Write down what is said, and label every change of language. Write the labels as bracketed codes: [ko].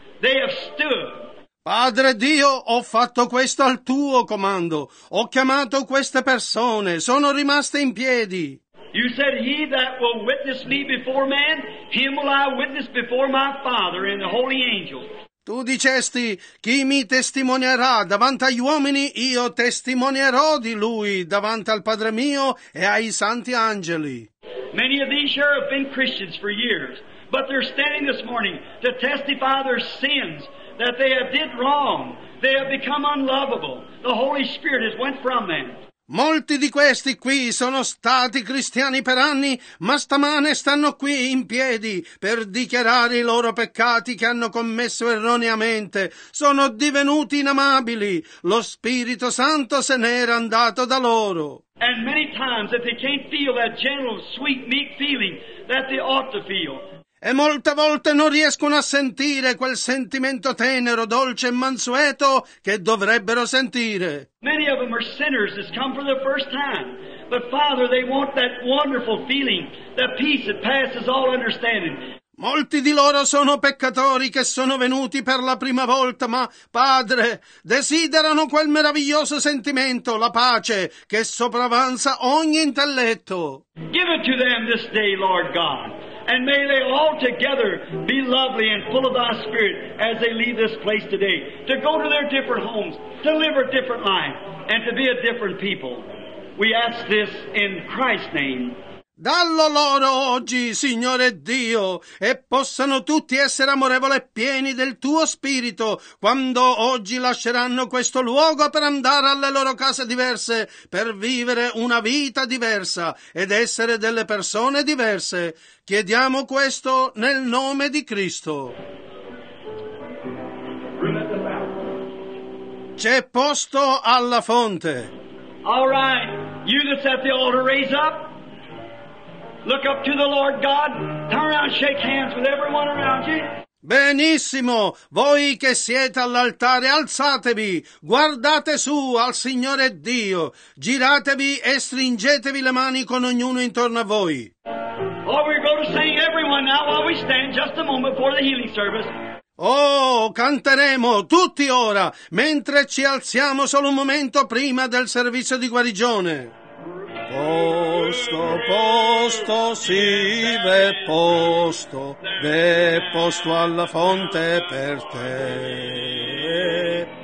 [en] They have stood. [it] Padre Dio, ho fatto questo al tuo comando. Ho chiamato queste persone. Sono rimaste in piedi. [en] You said, he that will witness me before man, him will I witness before my Father and the holy angels. [it] Tu dicesti, chi mi testimonierà davanti agli uomini, io testimonierò di lui davanti al Padre mio e ai santi angeli. [en] Many of these here have been Christians for years, but they're standing this morning to testify their sins that they have did wrong. They have become unlovable. The Holy Spirit has went from them. [it] Molti di questi qui sono stati cristiani per anni, ma stamane stanno qui in piedi per dichiarare i loro peccati che hanno commesso erroneamente. Sono divenuti inamabili. Lo Spirito Santo se n'era andato da loro. [en] And many times that they can't feel that gentle, sweet, meek feeling that they ought to feel. [it] E molte volte non riescono a sentire quel sentimento tenero, dolce e mansueto che dovrebbero sentire. [en] Many of them are sinners that come for the first time. But Father, they want that wonderful feeling, that peace that passes all understanding. [it] Molti di loro sono peccatori che sono venuti per la prima volta, ma Padre, desiderano quel meraviglioso sentimento, la pace, che sopravanza ogni intelletto. [en] Give it to them this day, Lord God. And may they all together be lovely and full of thy spirit as they leave this place today, to go to their different homes, to live a different life, and to be a different people. We ask this in Christ's name. [it] Dallo loro oggi, Signore Dio, e possano tutti essere amorevoli e pieni del tuo spirito quando oggi lasceranno questo luogo per andare alle loro case diverse, per vivere una vita diversa ed essere delle persone diverse. Chiediamo questo nel nome di Cristo. C'è posto alla fonte. [en] All right, you that's at the altar, raise up. Look up to the Lord God. Turn around, shake hands with everyone around you. [it] Benissimo, voi che siete all'altare, alzatevi, guardate su al Signore Dio, giratevi e stringetevi le mani con ognuno intorno a voi. [en] Oh, we're going to sing everyone now while we stand just a moment for the healing service. [it] Oh, canteremo tutti ora, mentre ci alziamo solo un momento prima del servizio di guarigione. Posto, posto, sì, ve posto, ve posto alla fonte per te.